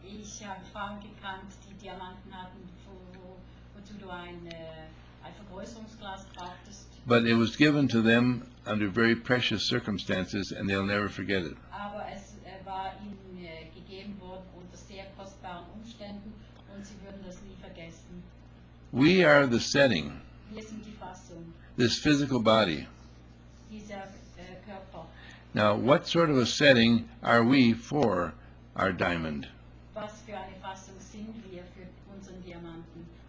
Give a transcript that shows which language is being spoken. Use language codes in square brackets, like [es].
[de] ich Frauen gekannt, die Diamanten hatten, wozu du ein Vergrößerungsglas brauchtest. [en] But it was given to them under very precious circumstances, and they'll never forget it. [de] Aber es war ihnen gegeben worden unter sehr kostbaren Umständen, und sie würden das nie vergessen. [en] We are the setting. [de] Wir sind die Fassung. [en] This physical body. [de] Dieser Körper. [en] Now, what sort of a setting are we for our diamond? [de] Was für eine Fassung sind wir für unseren Diamanten?